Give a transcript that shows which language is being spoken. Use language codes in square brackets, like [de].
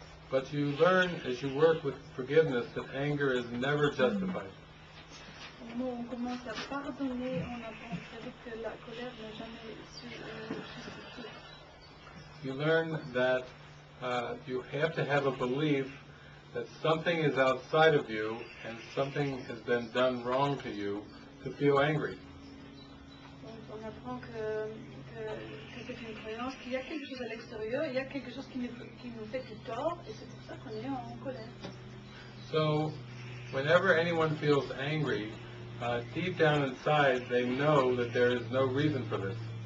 [en] But you learn as you work with forgiveness that anger is never justified. [fr] On commence à pardonner en apprenant que la colère n'est jamais justifiée. [en] You learn that you have to have a belief that something is outside of you and something has been done wrong to you to feel angry. [fr] On apprend que c'est une croyance qu'il y a quelque chose à l'extérieur, il y a quelque chose qui nous fait du tort, et c'est pour ça qu'on est en colère. [en] So, whenever anyone feels angry, deep down inside, they know that there is no reason for this.